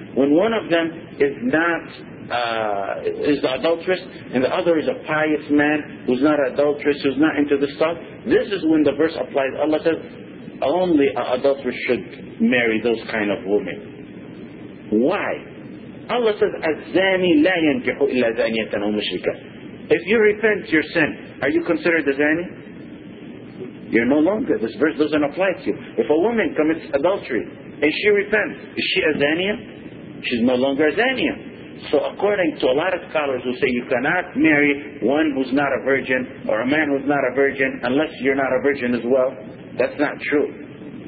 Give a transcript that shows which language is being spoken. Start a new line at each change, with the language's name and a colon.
English: When one of them is not is the adulteress, and the other is a pious man who's not adulterous, who's not into this stuff, this is when the verse applies. Allah says, only an adulterer should marry those kind of women. Why?
Arabic: Allah says, الزاني لا ينكح إلا زانية أو مشركة.
English: If you repent your sin, are you considered a zani? You're no longer. This verse doesn't apply to you. If a woman commits adultery and she repents, is she a zaniya? She's no longer a zaniya. So according to a lot of scholars who say you cannot marry one who's not a virgin or a man who's not a virgin unless you're not a virgin as well, that's not true.